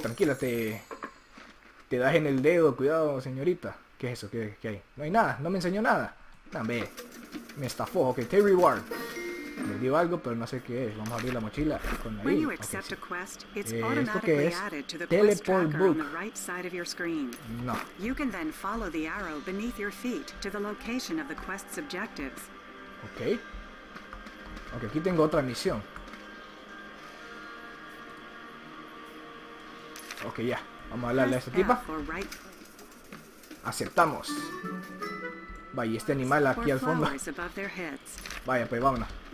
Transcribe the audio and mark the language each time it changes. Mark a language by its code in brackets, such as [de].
[es] Tranquila, te das en el dedo. Cuidado, señorita. ¿Qué es eso? ¿Qué hay? No hay nada, no me enseñó nada. ¡Dame! Me estafó. Ok, [en] take reward. [es] Me dio algo, pero no sé qué es. Vamos a abrir la mochila con la ¿esto qué es? [en] Teleport book. Right, no. You can then follow the arrow beneath your feet to the location of the quest's objectives. [es] Ok. Ok, aquí tengo otra misión. Ok, ya. Vamos a hablarle a esta tipa. Aceptamos. Vaya, este animal aquí al fondo. Vaya, pues vámonos.